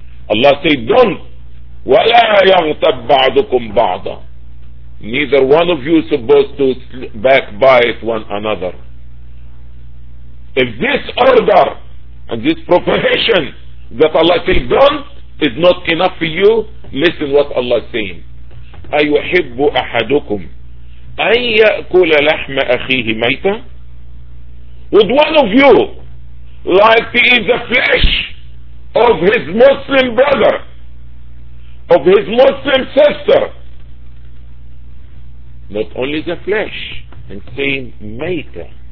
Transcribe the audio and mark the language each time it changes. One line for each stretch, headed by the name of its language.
English: Allah say, don't.
Arabic: وَلَا يَغْتَبْ بَعْضُكُمْ بَعْضًا.
English: Neither one of you is supposed to backbite one another. If this order and this prohibition that Allah says don't is not enough for you, listen what Allah is saying.
Arabic: أَيُحِبُّ أَحَدُكُمْ أَن يَأْكُلَ لَحْمَ أَخِيهِ مَيْتًا.
English: Would one of you like to eat the flesh of his Muslim brother, of his Muslim sister? Not only the flesh, and saying Maita.